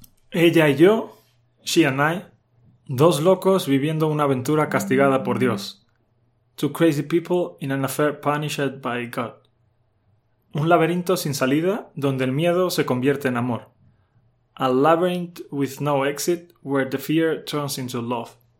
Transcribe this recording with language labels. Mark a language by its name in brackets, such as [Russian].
[Spanish] Ella y yo, [English] she and I, [Spanish] dos locos viviendo una aventura castigada por Dios. [English] Two crazy people in an affair punished by God. [Spanish] Un laberinto sin salida donde el miedo se convierte en amor. [English] A labyrinth with no exit where the fear turns into love.